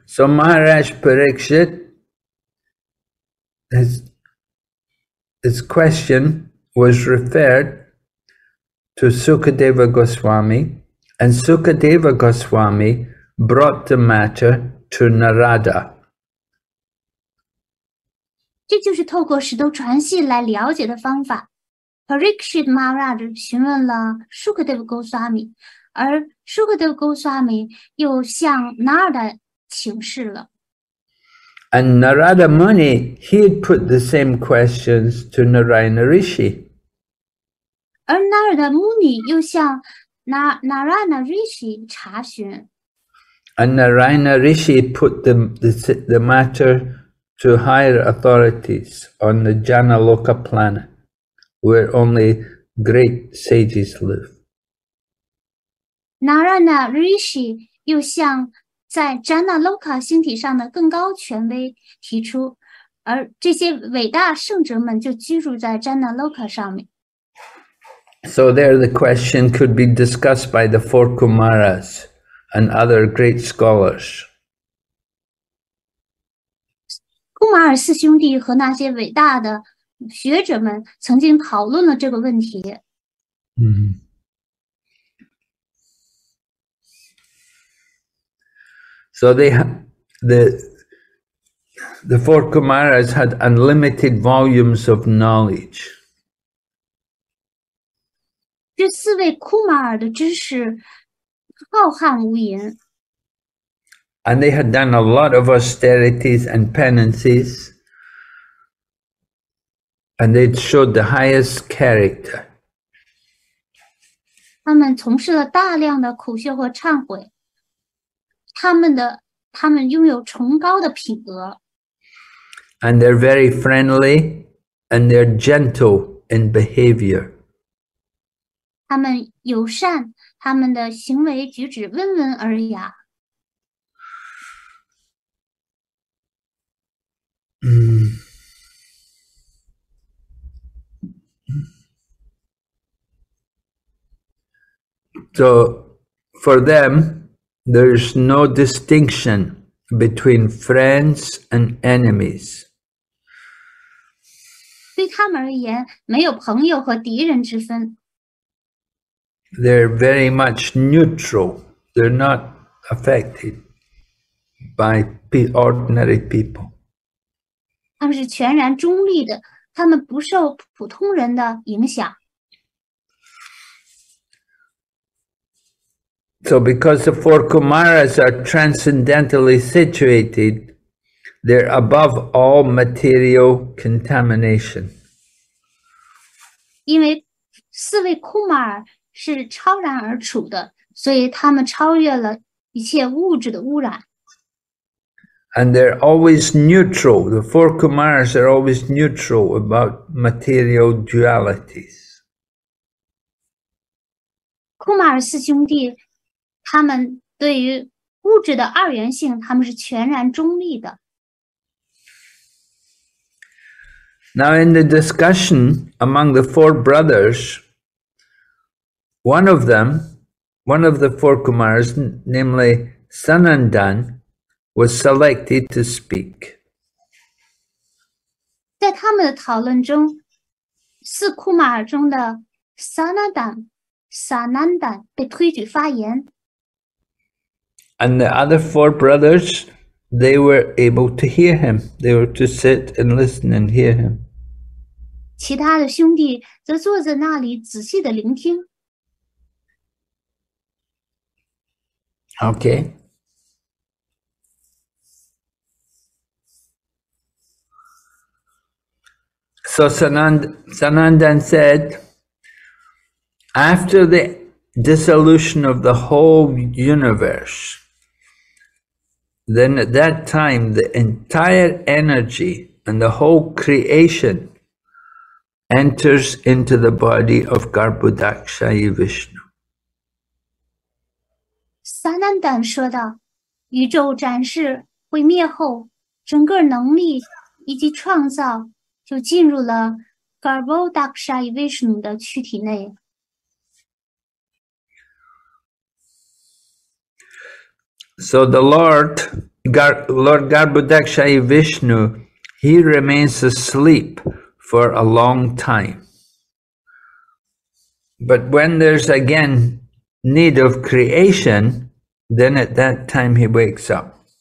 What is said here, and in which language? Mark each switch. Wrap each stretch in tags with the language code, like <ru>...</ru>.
<en>So Maharaj Parikshit, his question was referred to Sukadeva Goswami, and Sukadeva Goswami brought the matter to Narada.</en> <zh>这就是透过使徒传系来了解的方法。 Parikshit Maharaj 询问了 Shukadev Goswami， 而 Shukadev Goswami 又向 Narada 请示了。</zh> <en>And Narada Muni, he had put the same questions to Narayana Rishi.</en> <zh>而 Narada Muni 又向 Narayana Rishi 查询。</zh> <en>And Narayana Rishi put the matter to higher authorities on the Janaloka planet, where only great sages live.</en> <zh>Narayana Rishi 又向在 Janaloka 星体上的更高权威提出，而这些伟大圣者们就居住在 Janaloka 上面。</zh> <en>So there the question could be discussed by the four Kumaras and other great scholars.</en> <zh>Kumar 四兄弟和那些伟大的学者们曾经讨论了这个问题。</zh> <en>So the four Kumaras had unlimited volumes of knowledge.</en> <zh>这四位库玛尔的知识浩瀚无垠。</zh> <en>And they had done a lot of austerities and penances, and they showed the highest character.</en> <zh>他们从事了大量的苦修和忏悔，他们拥有崇高的品格。</zh> <en>And they're very friendly and they're gentle in behavior.</en> <zh>他们友善，他们的行为举止温文尔雅。</zh> <en>So for them,There's no distinction between friends and enemies.</en> <zh>对他们而言，没有朋友和敌人之分。</zh> <en>They're very much neutral. They're not affected by ordinary people.</en> <zh>他们是全然中立的，他们不受普通人的影响。</zh> <en>So because the four Kumaras are transcendentally situated, they're above all material contamination.</en> <zh>因为四位库玛尔是超然而处的，所以他们超越了一切物质的污染。</zh> <en>And they're always neutral. The four Kumaras are always neutral about material dualities.</en> <zh>库玛尔四兄弟他们对于物质的二元性，他们是全然中立的。</zh> <en>Now in the discussion among the four brothers, one of the four Kumaras, namely Sanandan, was selected to speak.</en> <zh>在他们的讨论中，四库玛尔中的 Sanandan 被推举发言。</zh> <en>And the other four brothers, they were able to hear him. They were to sit and listen and hear him.</en> <zh>其他的兄弟则坐在那里仔细地聆听。</zh> <en>Okay. So Sanandan said, after the dissolution of the whole universe,Then at that time, the entire energy and the whole creation enters into the body of Garbhodakshayi Vishnu.</en> <zh>Sanandan 说道，宇宙展示毁灭后，整个能力以及创造就进入了 Garbhodakshayi Vishnu 的躯体内。</zh> <en>So the Lord Garbhodakshayi Vishnu, he remains asleep for a long time. But when there's again need of creation, then at that time he wakes up.</en>